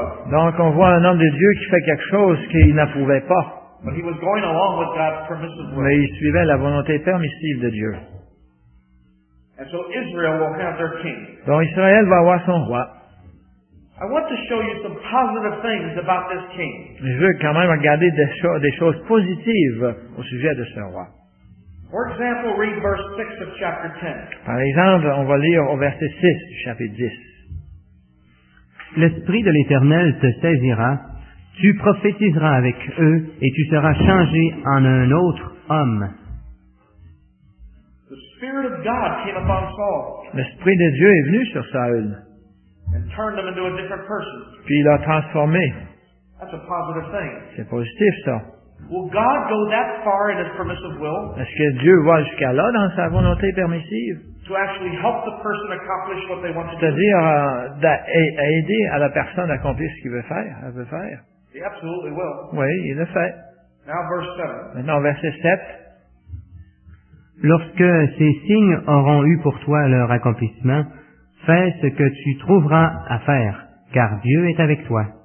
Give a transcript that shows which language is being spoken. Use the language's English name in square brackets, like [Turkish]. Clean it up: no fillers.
[French] Donc, on voit un homme de Dieu qui fait quelque chose qu'il n'approuvait pas. [English] But he was going along with God's permissive will. [French] Mais il suivait la volonté permissive de Dieu. [English] And so Israel will have their king. [French] Donc, Israël va avoir son roi. [English] I want to show you some positive things about this king. [French] Je veux quand même regarder des choses positives au sujet de ce roi. [English] For example, read verse 6 of chapter 10. [French] Par exemple, on va lire au verset 6 du chapitre 10. L'Esprit de l'Éternel te saisira, tu prophétiseras avec eux et tu seras changé en un autre homme. [English] The Spirit of God came upon Saul. [French] L'Esprit de Dieu est venu sur Saül. [English] And turned him into a different person. [French] Puis il l'a transformé. [English] That's a positive thing. [French] C'est positif, ça. [English] Will God go that far in his permissive will? [French] Est-ce que Dieu va jusqu'à là dans sa volonté permissive? [English] To actually help the person accomplish what they want to do. [French] C'est-à-dire aider à la personne à accomplir ce qu'il veut faire, elle veut faire. [English] He absolutely will. [French] Oui, il le fait. [English] Now verse 7. [French] Maintenant, verset 7. Lorsque ces signes auront eu pour toi leur accomplissement, fais ce que tu trouveras à faire, car Dieu est avec toi.